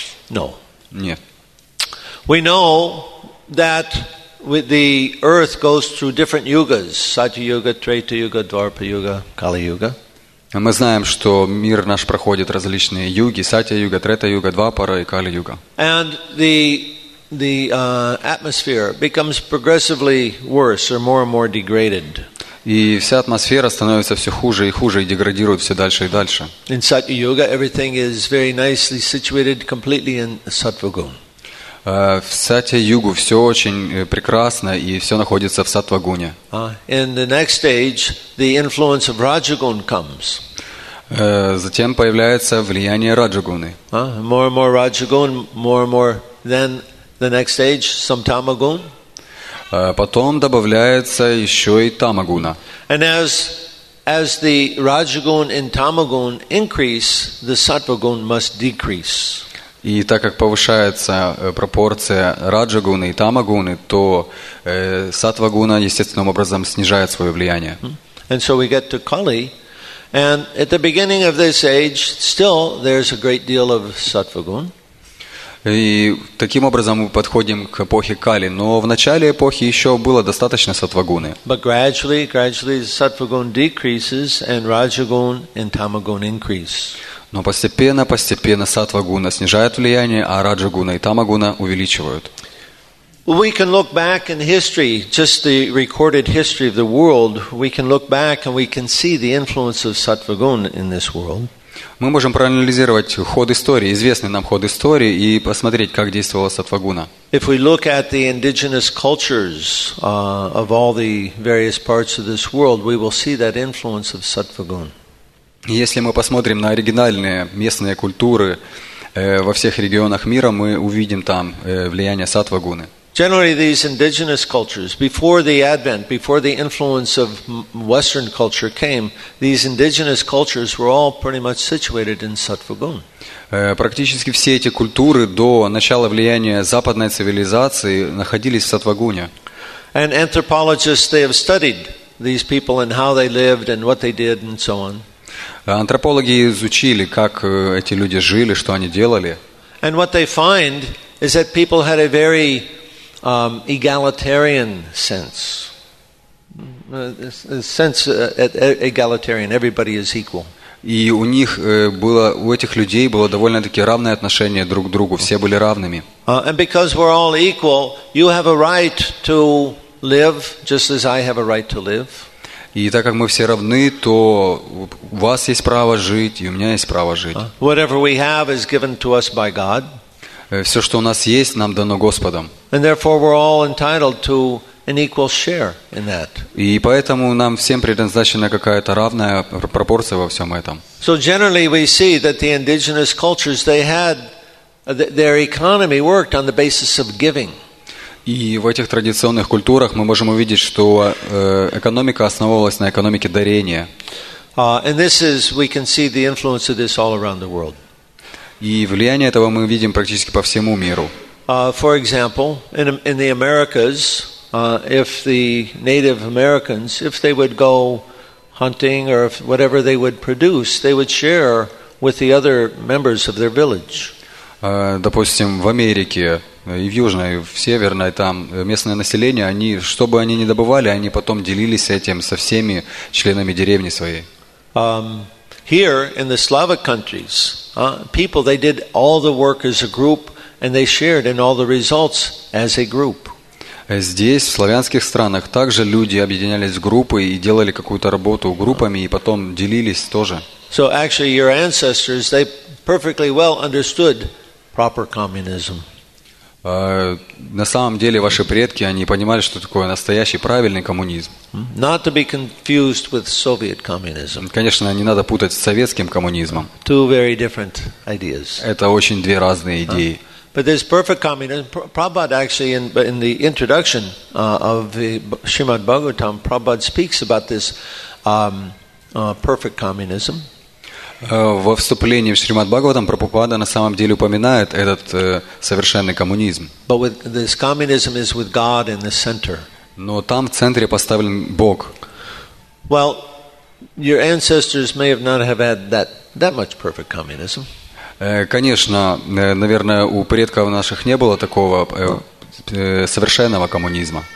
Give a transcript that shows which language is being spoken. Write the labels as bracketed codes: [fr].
[en] No. [ru] Нет. [en] We know that the earth goes through different yugas, Satya Yuga, Treta Yuga, Dwapara Yuga, Kali Yuga. [ru] Мы знаем, что мир наш проходит различные юги, Сатья Юга, Трета Юга, Двапара и Кали Юга. [en] And the atmosphere becomes progressively worse or more and more degraded. [ru] И вся атмосфера становится все хуже и хуже и деградирует все дальше и дальше. [en] In Satya Yuga, everything is very nicely situated, completely in Sattva-gun. [ru] В Сатья-югу все очень прекрасно и все находится в Сатва-гуне. [en] In the next stage, the influence of Раджа-гун comes. [ru] Затем появляется влияние Раджа-гуны. [en] More and more Раджа-гун, more and more, then the next stage, Самтама-гун. [ru] Потом добавляется еще и Тама-гуна. [en] And as the Раджа-гун and Тама-гун increase, the Сатва-гун must decrease. [ru] И так как повышается пропорция раджа-гуны и тама-гуны, то сатва-гуна естественным образом снижает свое влияние. [en] And so we get to Kali, and at the beginning of this age, still there's a great deal of сатва-гун. [ru] И таким образом мы подходим к эпохе Кали, но в начале эпохи еще было достаточно сатва-гуны. [en] But gradually сатва-гун decreases and раджа-гун and тама-гун increase. [ru] Но постепенно сатва-гуна снижает влияние, а раджа-гуна и тама-гуна увеличивают. [en] We can look back in history, just the recorded history of the world, we can look back and we can see the influence of сатва-гун in this world. [ru] Мы можем проанализировать ход истории, известный нам ход истории, и посмотреть, как действовала сатва-гуна. [en] If we look at the indigenous cultures of all the various parts of this world, we will see that influence of сатва-гун. [ru] Если мы посмотрим на оригинальные местные культуры во всех регионах мира, мы увидим там влияние сатва-гуны. [en] Generally, these indigenous cultures, before the advent, before the influence of Western culture came, these indigenous cultures were all pretty much situated in сатва-гун. [ru] Практически все эти культуры до начала влияния западной цивилизации находились в сатва-гуне. [en] And anthropologists, they have studied these people and how they lived and what they did and so on. [ru] Антропологи изучили, как эти люди жили, что они делали. [en] And what they find is that people had a very egalitarian sense. A sense egalitarian, everybody is equal. [ru] И у них было, у этих людей было довольно-таки равное отношение друг к другу, все были равными. [en] And because we're all equal, you have a right to live just as I have a right to live. [ru] И так как мы все равны, то у вас есть право жить, и у меня есть право жить. [en] Whatever we have is given to us by God. [ru] Все, что у нас есть, нам дано Господом. [en] And therefore we're all entitled to an equal share in that. [ru] И поэтому нам всем предназначена какая-то равная пропорция во всем этом. [en] So generally we see that the indigenous cultures, they had their economy worked on the basis of giving. [ru] И в этих традиционных культурах мы можем увидеть, что экономика основывалась на экономике дарения. [en] And we can see the influence of this all around the world. [ru] И влияние этого мы видим практически по всему миру. [en] For example, in the Americas, if the Native Americans, if they would go hunting or if whatever they would produce, they would share with the other members of their village. [ru] Допустим, в Америке и в Южной, и в Северной, там местное население, они, что бы они ни добывали, они потом делились этим со всеми членами деревни своей. [en] Here, in the Slavic countries, people, they did all the work as a group, and they shared in all the results as a group. [ru] Здесь, в славянских странах, также люди объединялись в группы и делали какую-то работу группами, и потом делились тоже. [en] So actually, your ancestors, they perfectly well understood proper communism. [ru] На самом деле, ваши предки, они понимали, что такое настоящий правильный коммунизм. [en] Not to be confused with Soviet communism. [ru] Конечно, не надо путать с советским коммунизмом. [en] Two very different ideas. [ru] Это очень две разные идеи. [en] But there's perfect communism. Prabhupada actually in the introduction of the Srimad Bhagavatam, Prabhupada speaks about this perfect communism. [ru] Во вступлении в Шримад Бхагаватам Прабхупада на самом деле упоминает этот совершенный коммунизм. [en] But with this communism is with God in the center. [ru] Но там в центре поставлен Бог. [en] Well, your ancestors may have not have had that much perfect communism. [ru] Конечно, наверное, у предков наших не было такого совершенного коммунизма.